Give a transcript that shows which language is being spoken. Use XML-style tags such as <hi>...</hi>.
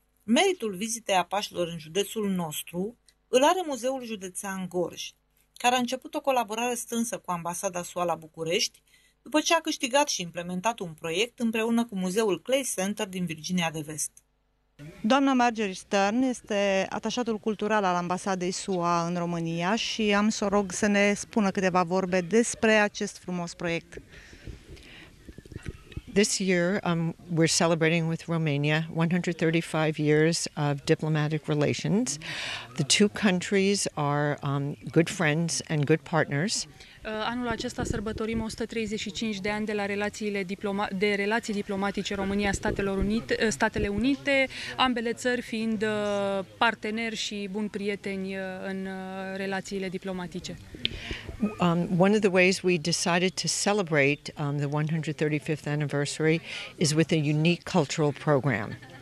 <ro>Meritul vizitei apașilor în județul nostru îl are Muzeul Județean Gorj, care a început o colaborare strânsă cu Ambasada SUA la București, după ce a câștigat și implementat un proiect împreună cu Muzeul Clay Center din Virginia de Vest. Doamna Marjorie Stern este atașatul cultural al Ambasadei SUA în România și am să o rog să ne spună câteva vorbe despre acest frumos proiect.</ro> <en>This year, we're celebrating with Romania 135 years of diplomatic relations. The two countries are good friends and good partners.</en> <ro>Anul acesta sărbătorim 135 de ani de la relații diplomatice România Statele Unite, ambele țări fiind parteneri și buni prieteni în relațiile diplomatice.</ro> <en>One of the ways we decided to celebrate the 135th anniversary is with a unique cultural program.</en>